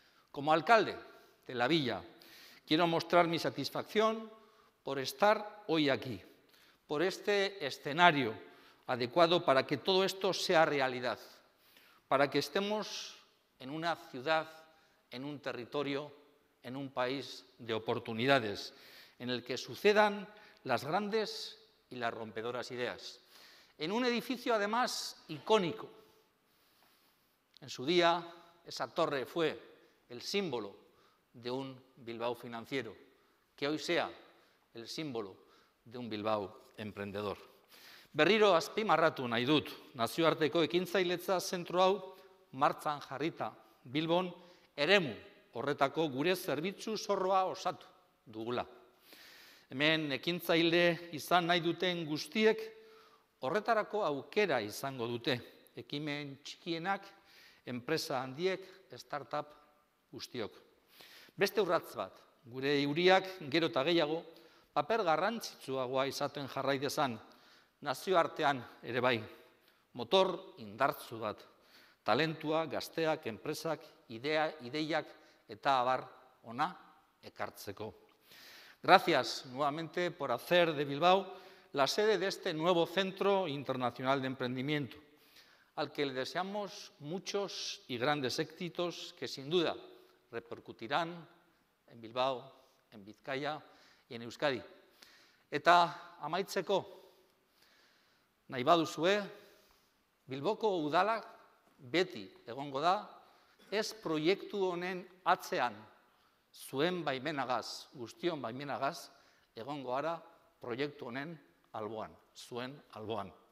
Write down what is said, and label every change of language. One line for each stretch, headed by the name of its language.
Spanish: Como alcalde de la villa, quiero mostrar mi satisfacción por estar hoy aquí, por este escenario adecuado para que todo esto sea realidad, para que estemos en una ciudad, en un territorio, en un país de oportunidades, en el que sucedan las grandes y las rompedoras ideas. En un edificio, además, icónico. En su día, esa torre fue el símbolo de un Bilbao financiero, que hoy sea el símbolo de un Bilbao emprendedor.
Basque: Berriro azpimarratu nahi dut, nazioarteko ekintzailetza zentro hau martzan jarrita Bilbon eremu horretako gure zerbitzu zorroa osatu dugula. Hemen ekintzaile izan nahi duten guztiek horretarako aukera izango dute, ekimen txikienak, enpresa handiek, startup guztiok. Beste urrats bat, gure hiriak gero eta gehiago paper garrantzitsuagoa izaten jarrai dezan, nazioartean ere bai, motor indartzu bat, talentua, gazteak, enpresak, ideiak eta abar ona ekartzeko.
Spanish: Gracias nuevamente por hacer de Bilbao la sede de este nuevo Centro Internacional de Emprendimiento, al que le deseamos muchos y grandes éxitos que sin duda repercutirán en Bilbao, en Vizcaya y en Euskadi.
Basque: Eta amaitzeko, nahi baduzue, Bilboko udalak beti egongo da, ez proiektu honen atzean, zuen baimenagaz, guztion baimenagaz, egongo ara proiektu honen alboan, zuen alboan.